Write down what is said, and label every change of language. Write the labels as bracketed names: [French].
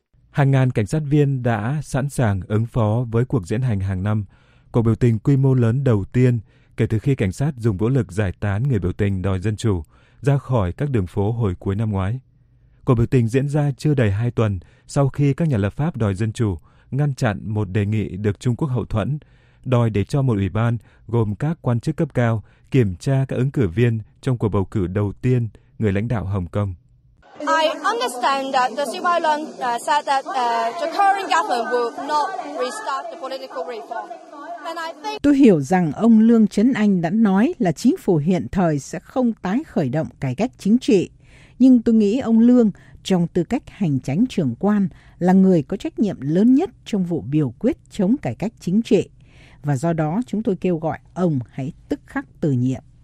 [Vietnamese] Hàng ngàn cảnh sát viên đã sẵn sàng ứng phó với cuộc diễn hành hàng năm, cuộc biểu tình quy mô lớn đầu tiên kể từ khi cảnh sát dùng vũ lực giải tán người biểu tình đòi dân chủ ra khỏi các đường phố hồi cuối năm ngoái. Cuộc biểu tình diễn ra chưa đầy 2 tuần sau khi các nhà lập pháp đòi dân chủ ngăn chặn một đề nghị được Trung Quốc hậu thuẫn, đòi để cho một ủy ban gồm các quan chức cấp cao kiểm tra các ứng cử viên trong cuộc bầu cử đầu tiên người lãnh đạo Hồng Kông. [English] I understand that the Civil Lung said that the current government will not restart the political reform. [Vietnamese] Tôi hiểu rằng ông Lương Chấn Anh đã nói là chính phủ hiện thời sẽ không tái khởi động cải cách chính trị. Nhưng tôi nghĩ ông Lương, trong tư cách hành chánh trưởng quan, là người có trách nhiệm lớn nhất trong vụ biểu quyết chống cải cách chính trị. Và do đó chúng tôi kêu gọi ông hãy tức khắc từ nhiệm.